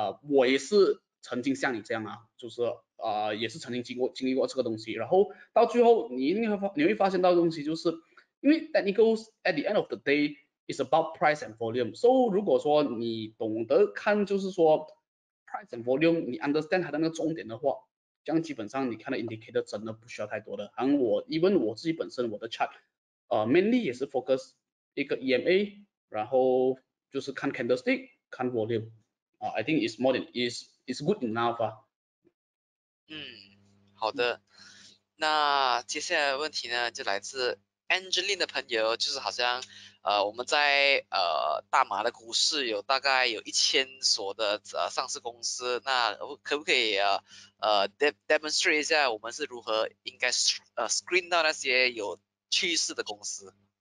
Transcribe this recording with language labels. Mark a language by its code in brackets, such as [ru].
[zh] 我也是曾经像你这样啊，就是也是曾经经历过这个东西，然后到最后你会发现到的东西就是，因为 [en] technicals at the end of the day is about price and volume， [zh] 所以如果说你懂得看就是说 [en] price and volume， [zh] 你 understand 它的那个重点的话，这样基本上你看的 indicator 真的不需要太多的。然后我自己本身我的 chart， mainly 也是 focus 一个 EMA， 然后就是看 candlestick， 看 volume。 [en] I think it's more than it's good enough 啊。 [zh] 好的，那接下来的问题呢，就来自 Angeline 的朋友，就是好像我们在大马的股市有大概有1000所的上市公司，那可不可以demonstrate 一下我们是如何应该screen 到那些有趋势的公司？